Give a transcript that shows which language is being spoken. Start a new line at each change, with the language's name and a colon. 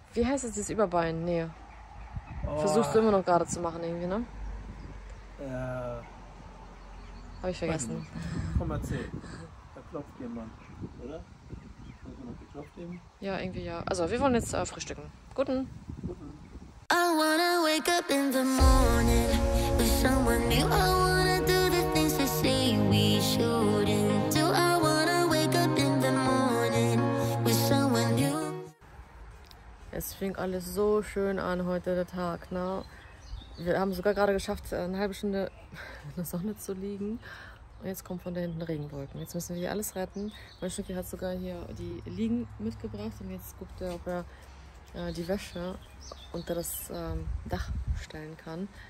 German: Wie heißt es, dieses Überbein? Nee. Oh. Versuchst du immer noch gerade zu machen, irgendwie, ne? Habe ich vergessen. Warte mal. Komm, erzähl. Da klopft jemand, oder? Hat jemand geklopft eben? Ja, irgendwie ja. Also, wir wollen jetzt frühstücken. Guten.
English: I wanna wake up in the morning with someone new. I wanna do the things they say we shouldn't do. I wanna wake up in the morning with someone new.
German: Es fing alles so schön an heute, der Tag, ne? Wir haben sogar gerade geschafft, eine halbe Stunde in der Sonne zu liegen. Und jetzt kommt von da hinten Regenwolken. Jetzt müssen wir hier alles retten. Mein Schnucki hat sogar hier die Liegen mitgebracht. Und jetzt guckt er, ob er die Wäsche unter das Dach stellen kann.